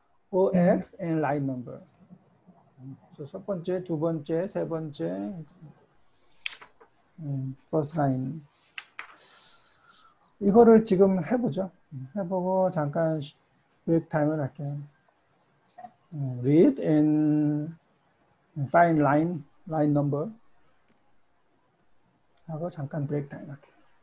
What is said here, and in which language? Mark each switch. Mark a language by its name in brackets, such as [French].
[English] OX and [Korean] 라인 넘버. 그래서 첫 번째, 두 번째, 세 번째, [English] first line. [Korean] 이거를 지금 해보죠. 해보고 잠깐 [English] break time [Korean] 을 할게요. [English] Read and find line number. [Korean] 하고 잠깐 [English] break time [Korean] 할게요.